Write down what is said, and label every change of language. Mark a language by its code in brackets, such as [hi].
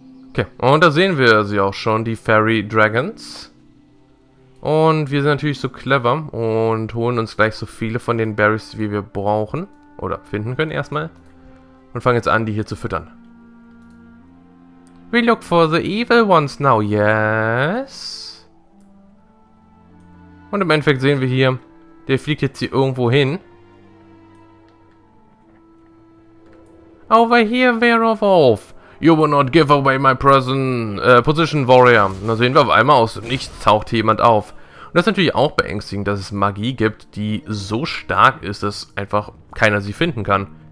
[de] Okay, und da sehen wir sie auch schon, die Fairy Dragons. Und wir sind natürlich so clever und holen uns gleich so viele von den Berries, wie wir brauchen oder finden können erstmal. Und fangen jetzt an, die hier zu füttern. [en] We look for the evil ones now, yes. [de] Und im Endeffekt sehen wir hier, der fliegt jetzt hier irgendwo hin. [en] Over here, Werewolf. You will not give away my position, Warrior. [de] Da sehen wir auf einmal aus dem Nichts taucht jemand auf. Und das ist natürlich auch beängstigend, dass es Magie gibt, die so stark ist, dass einfach keiner sie finden kann.